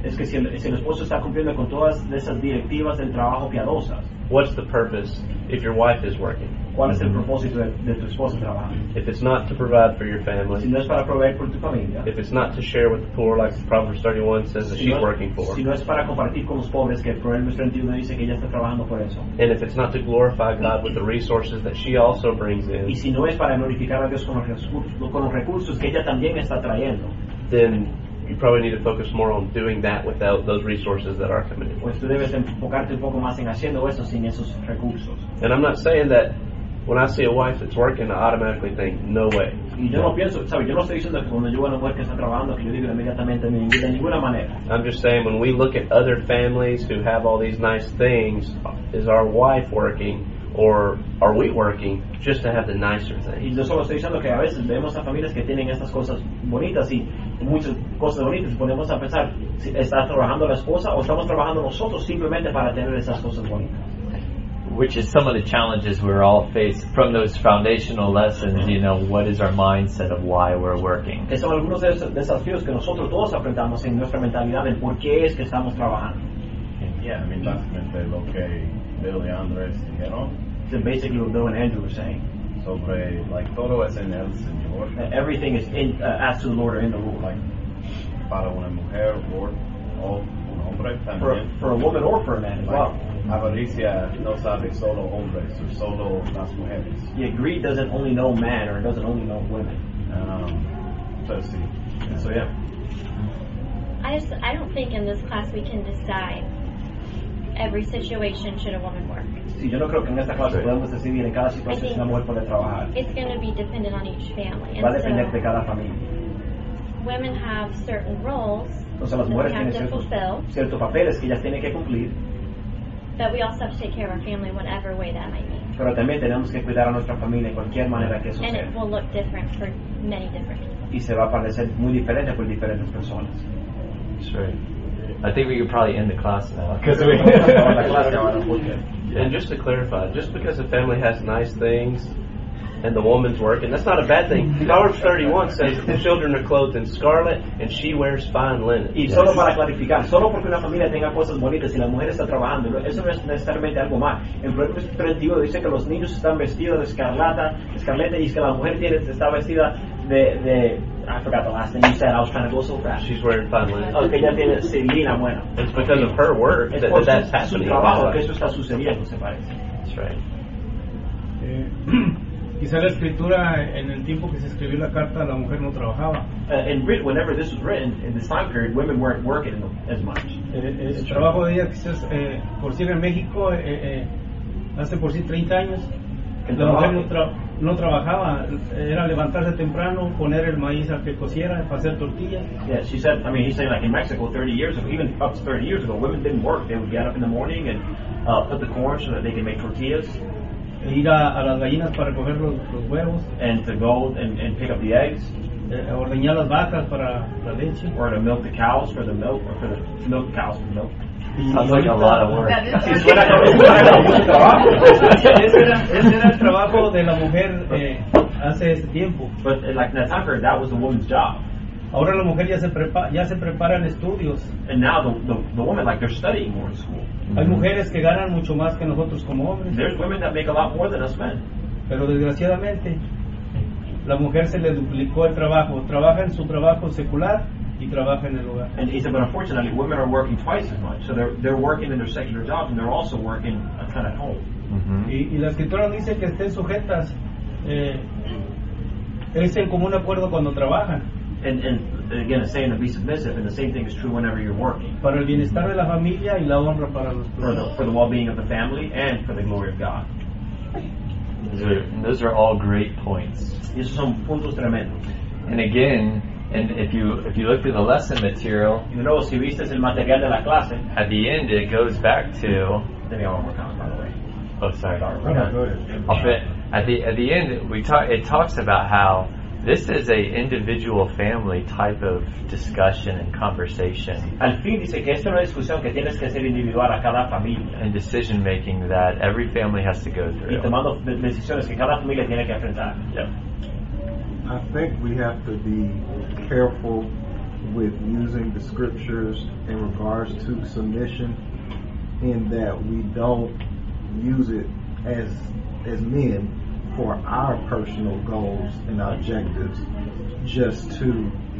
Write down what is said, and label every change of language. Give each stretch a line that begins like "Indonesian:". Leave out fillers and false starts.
Spanish: Es que si el esposo está cumpliendo con todas esas directivas del trabajo piadosas.
English: What's the purpose if your wife is working?
Spanish: ¿Cuál es el propósito de tu esposo trabajando?
English: If it's not to provide for your family.
Spanish: Si no es para proveer por tu familia.
English: If it's not to share with the poor, like Proverbs 31 says that she's working for.
Spanish: Si no es para compartir con los pobres, que Proverbs 31 dice que ella está trabajando por eso.
English: And if it's not to glorify God with the resources that she also brings in.
Spanish: Y si no es para glorificar a Dios con los recursos que ella también está trayendo.
English: Then you probably need to focus more on doing that without those resources that are coming in.
Spanish: Pues tú debes enfocarte un poco más en haciendo eso sin esos recursos.
English: And I'm not saying that when I see a wife that's working, I automatically think, no way.
Spanish: Y yo no pienso, sabes, yo no estoy diciendo que cuando yo veo una mujer que está trabajando, que yo digo inmediatamente, de ninguna manera.
English: I'm just saying, when we look at other families who have all these nice things, is our wife working? Or are we working just to have the nicer things?
Spanish: Y yo solo estoy diciendo que a veces vemos a familias que tienen estas cosas bonitas y muchas cosas bonitas. Ponemos a pensar, ¿está trabajando la esposa o estamos trabajando nosotros simplemente para tener esas cosas bonitas?
English: Which is some of the challenges we're all faced from those foundational lessons, you know, what is our mindset of why we're working?
Spanish: Que son algunos de esos desafíos que nosotros todos aprendamos en nuestra mentalidad del por qué es que estamos trabajando.
English: Yeah, I mean,
Spanish: básicamente lo que Bill y Andrés dijeron.
English: So basically what Bill and Andrew were saying.
Spanish: Sobre,
English: like,
Spanish: todo es en el Señor.
English: Everything is in, asked to the Lord or in the Lord. Like,
Spanish: para una mujer o un hombre también.
English: For a woman or for a man as like, well.
Spanish: Avaricia no sabe solo hombres o solo las mujeres.
English: Yeah, greed doesn't only know man or doesn't only know women. I don't think in this class we can decide every situation should a woman work.
Spanish: Sí, yo no creo que en esta clase podemos decidir en cada situación si una mujer puede trabajar.
English: It's going to be dependent on each family.
Spanish: Va a depender de cada familia.
English: Women have certain roles.
Spanish: Entonces, las mujeres
English: that we have to fulfill.
Spanish: Ciertos papeles que ellas tienen que cumplir.
English: But we also have to take care of our family, whatever way that might be.
Spanish: Pero también tenemos que cuidar a nuestra familia en cualquier manera que suceda.
English: And it will look different for many different people.
Spanish: Y se va a parecer muy diferente por diferentes personas.
English: Sure. I think we could probably end the class now. And just to clarify, just because a family has nice things and the woman's working, that's not a bad thing. Proverbs 31 says the children are clothed in scarlet and she wears fine linen.
Spanish: Y solo para clarificar, solo porque una familia tenga cosas bonitas y la mujer está trabajando, eso no es necesariamente algo mal. En Proverbs 31 dice que los niños están vestidos de escarlata y que la mujer está vestida de
English: I forgot the last thing you said. I was trying to go so fast. She's wearing fine linen.
Spanish: Okay, ya tiene seguida, bueno.
English: It's because of her work that's happening.
Spanish: Su trabajo, que eso está sucediendo, se parece.
English: That's right.
Spanish: Quizá la escritura en el tiempo que se escribió la carta, la mujer no trabajaba.
English: And whenever this was written, in this time period, women weren't working as much.
Spanish: El trabajo de ella, quizás, por si en México, hace por si 30 años, la mujer no trabajaba, era levantarse temprano, poner el maíz a que cociera, hacer tortillas.
English: Yeah, she said, I mean, he's saying like in Mexico 30 years ago, even up to 30 years ago, women didn't work. They would get up in the morning and put the corn so that they could make tortillas.
Spanish: ir a las gallinas para coger los huevos,
English: and to go and pick up the eggs,
Spanish: ordeñar las vacas para la leche,
English: or to milk the cows for the milk, or for the milk cows for milk. Sounds like a lot of work. But like Natakar, that was a woman's job.
Spanish: Ahora la mujer ya se prepara en estudios.
English: And now the woman, like, they're studying more in school. Mm-hmm.
Spanish: Hay mujeres que ganan mucho más que nosotros como hombres.
English: There's women that make a lot more than us men.
Spanish: Pero desgraciadamente, la mujer se le duplicó el trabajo. Trabaja en su trabajo secular y trabaja en el hogar.
English: And he said, but unfortunately, women are working twice as much. So they're working in their secular jobs, and they're also working a ton at home.
Spanish: Mm-hmm. Y la escritura dice que estén sujetas. Es el común acuerdo cuando trabajan.
English: And again, it's saying to be submissive, and the same thing is true whenever you're working.
Spanish: Para el bienestar de la familia y la honra para los hijos.
English: For the well-being of the family and for the glory of God. Those are all great points.
Spanish: Esos son puntos tremendos.
English: And again, and if you look through the lesson material, you know,
Spanish: si viste el material de la clase,
English: at the end it goes back to. Let me have one more comment, by the way. Oh, sorry. At the end, it talks about how this is a individual family type of discussion and conversation.
Spanish: Al fin dice que esta es una discusión que tienes que hacer individual a cada familia.
English: And decision making that every family has to go through.
Spanish: Y tomando decisiones que cada familia tiene que enfrentar.
English: Yeah. I think we have to be careful with using the scriptures in regards to submission, in that we don't use it as men for our personal goals and objectives, just to.